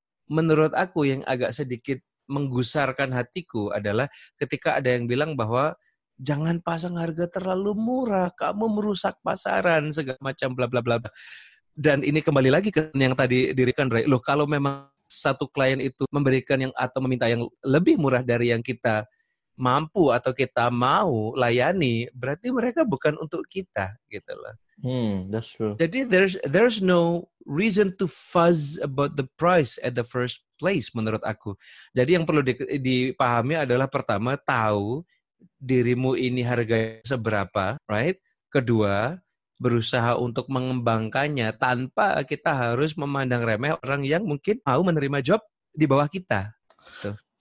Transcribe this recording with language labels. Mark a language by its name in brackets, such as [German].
[Indonesian] Menurut aku yang agak sedikit menggusarkan hatiku adalah ketika ada yang bilang bahwa jangan pasang harga terlalu murah, kamu merusak pasaran, segala macam, bla bla bla. Dan ini kembali lagi ke yang tadi dirikan, Ray. Loh, kalau memang satu klien itu memberikan yang atau meminta yang lebih murah dari yang kita mampu atau kita mau layani, berarti mereka bukan untuk kita, gitu loh. [English] That's true. [Indonesian] Jadi [English] there's no reason to fuzz about the price at the first place, [Indonesian] menurut aku. Jadi yang perlu dipahami adalah pertama, tahu dirimu ini harganya seberapa, [English] right? [Indonesian] Kedua, berusaha untuk mengembangkannya tanpa kita harus memandang remeh orang yang mungkin mau menerima job di bawah kita. Tuh.